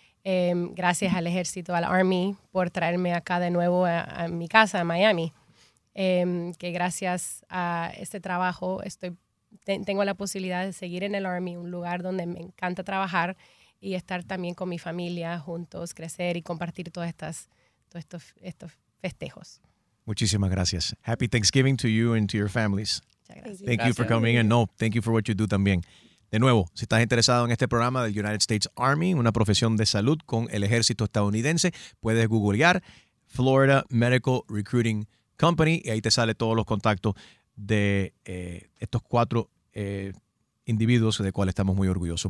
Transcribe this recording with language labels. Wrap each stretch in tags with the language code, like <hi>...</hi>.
<es>Gracias al ejército, al Army, por traerme acá de nuevo a mi casa, a Miami. Que gracias a este trabajo tengo la posibilidad de seguir en el Army, un lugar donde me encanta trabajar y estar también con mi familia juntos, crecer y compartir todos estos festejos. Muchísimas gracias.</es> <en>Happy Thanksgiving to you and to your families.</en> <es>Muchas gracias.</es> <en>Thank</en> <es>gracias.</es> <en>You for coming and no, thank you for what you do</en> <es>también. De nuevo, si estás interesado en este programa del United States Army, una profesión de salud con el ejército estadounidense, puedes googlear Florida Medical Recruiting Company y ahí te sale todos los contactos de estos cuatro individuos de cuales estamos muy orgullosos.</es>